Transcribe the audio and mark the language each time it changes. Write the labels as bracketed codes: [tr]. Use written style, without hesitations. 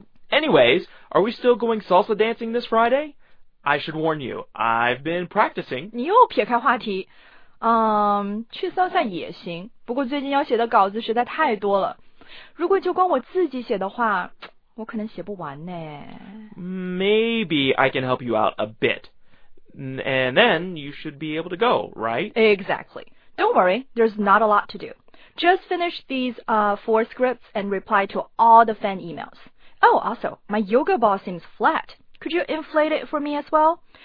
[en] Anyways, are we still going salsa dancing this Friday? I should warn you, I've been practicing. [zh] 你又撇开话题。去散散也行，不过最近要写的稿子实在太多了。如果就光我自己写的话，我可能写不完呢。 [en] Maybe I can help you out a bit. And then you should be able to go, right? Exactly. Don't worry, there's not a lot to do. Just finish these four scripts and reply to all the fan emails. Oh, also, my yoga ball seems flat. Could you inflate it for me as well?